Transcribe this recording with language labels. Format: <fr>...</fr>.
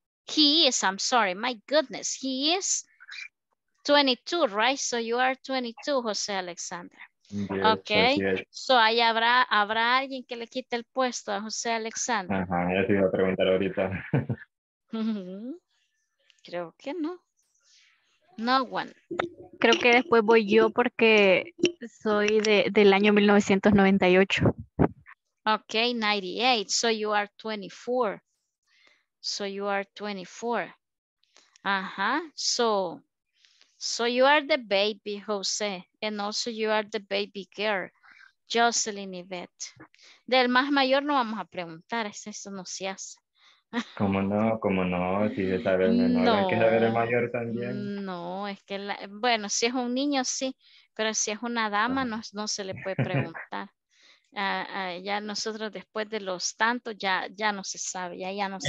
<en>He is, I'm sorry, my goodness, he is 22, right? So you are 22, José Alexander. Yes, okay, yes.</en> <es>So ahí habrá alguien que le quite el puesto a José Alexander. Ajá, ya te iba a preguntar ahorita. Creo que no.</es> <en>No one.</en> <es>Creo que después voy yo porque soy del año 1998.</es> <en>Okay, 98, so you are 24. So you are 24. So you are the baby, Jose. And also you are the baby girl. Jocelyn Yvette.</en> <es>Del más mayor no vamos a preguntar, eso no se hace. ¿Cómo no? ¿Cómo no? Si se sabe el menor, no, hay que saber el mayor también. No, es que, la, bueno, si es un niño, sí, pero si es una dama, no, no se le puede preguntar. Ya nosotros después de los tantos ya no se sabe, ya no se</es>